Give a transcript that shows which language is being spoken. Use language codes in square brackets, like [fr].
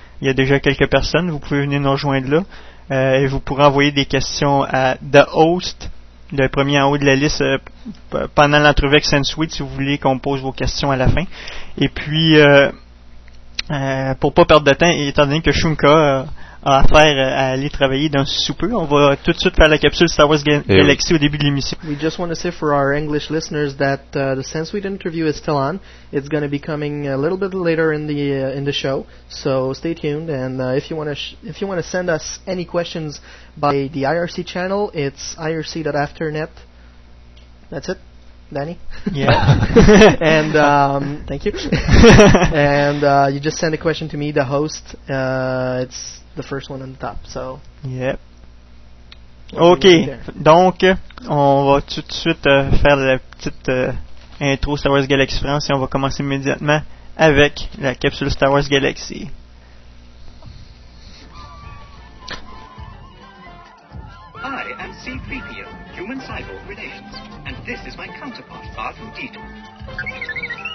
[fr] Il y a déjà quelques personnes. Vous pouvez venir nous rejoindre là. Et vous pourrez envoyer des questions à The Host, le premier en haut de la liste, pendant l'entrevue avec Sansweet, si vous voulez qu'on pose vos questions à la fin. Et puis, pour pas perdre de temps, étant donné que Shunka à faire à aller travailler dans sous peu. On va tout de suite faire la capsule Star Wars Galaxy au début de l'émission. [en] We just want to say for our English listeners that the Sansweet interview is still on. It's going to be coming a little bit later in the show. So stay tuned. And if you want to send us any questions by the IRC channel, it's irc.afternet. That's it. Danny? Yeah. And thank you. And you just send a question to me, the host. It's the first one on the top, so... Yep. OK. [fr] Donc, on va tout de suite faire la petite intro Star Wars Galaxy France et on va commencer immédiatement avec la capsule Star Wars Galaxy. [en] I am C-3PO, Human Cyborg Relations, and this is my counterpart, R2-D2.